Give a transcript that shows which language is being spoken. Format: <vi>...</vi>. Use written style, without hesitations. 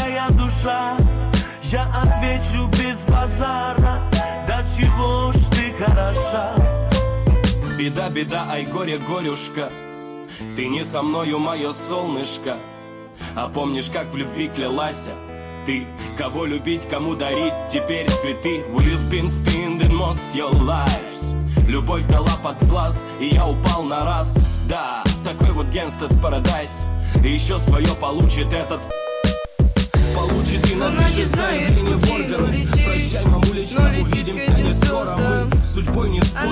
<ru>душа, я отвечу без базара, да чего ж ты хороша. Беда, беда, ай горе, горюшка, ты не со мною, мое солнышко. А помнишь, как в любви клялась ты, кого любить, кому дарить теперь цветы?</ru> <en>We've been spending most your lives.</en> <ru>Любовь дала под глаз, и я упал на раз. Да, такой вот Gangsta's Paradise. И еще свое получит этот. Получит и напишет заявление в органы. Прощай, мамулечка, увидимся не скоро. Мы судьбой не спорим.</ru>